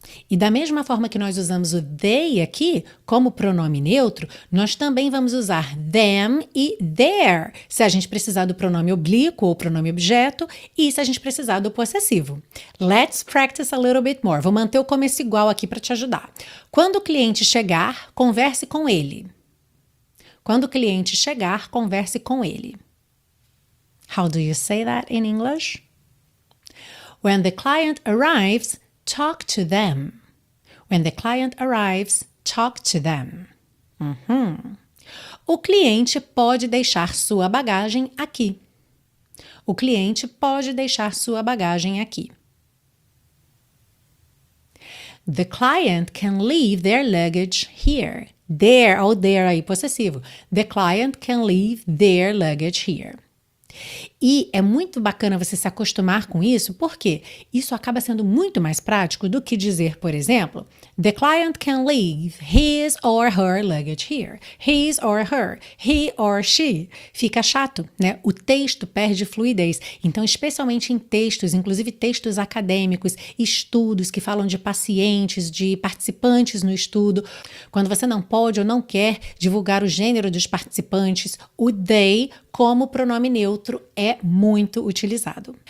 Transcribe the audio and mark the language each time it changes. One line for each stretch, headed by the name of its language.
Portuguese: E da mesma forma que nós usamos o they aqui como pronome neutro, nós também vamos usar them e their se a gente precisar do pronome oblíquo ou pronome objeto e se a gente precisar do possessivo.
English: Let's practice a little bit more.
Portuguese: Vou manter o começo igual aqui para te ajudar. Quando o cliente chegar, converse com ele. Quando o cliente chegar, converse com ele.
English: How do you say that in English? When the client arrives, talk to them. When the client arrives, talk to them.
Portuguese: O cliente pode deixar sua bagagem aqui. O cliente pode deixar sua bagagem aqui.
English: The client can leave their luggage here.
Portuguese: There, ou there aí, possessivo.
English: The client can leave their luggage here.
Portuguese: E é muito bacana você se acostumar com isso, porque isso acaba sendo muito mais prático do que dizer, por exemplo,
English: the client can leave his or her luggage here. His or her, he or she.
Portuguese: Fica chato, né? O texto perde fluidez. Então, especialmente em textos, inclusive textos acadêmicos, estudos que falam de pacientes, de participantes no estudo, quando você não pode ou não quer divulgar o gênero dos participantes, o they como pronome neutro é muito utilizado.